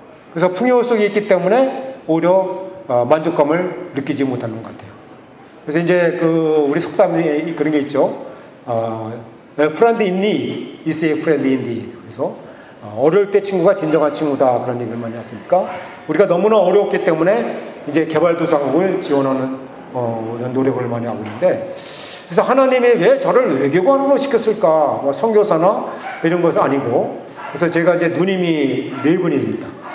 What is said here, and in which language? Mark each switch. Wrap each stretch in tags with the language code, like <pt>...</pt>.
<ko>그래서 풍요 속에 있기 때문에 오히려 만족감을 느끼지 못하는 것 같아요. 그래서 이제 그 우리 속담에 그런 게 있죠.</ko> <en>Friend in need is a friend indeed.</en> <ko>그래서 어려울 때 친구가 진정한 친구다 그런 얘기를 많이 했으니까 우리가 너무나 어려웠기 때문에 이제 개발도상국을 지원하는 노력을 많이 하고 있는데 그래서 하나님이 왜 저를 외교관으로 시켰을까? 뭐 선교사나 이런 것은 아니고 그래서 제가 이제 누님이 네 분입니다.</ko>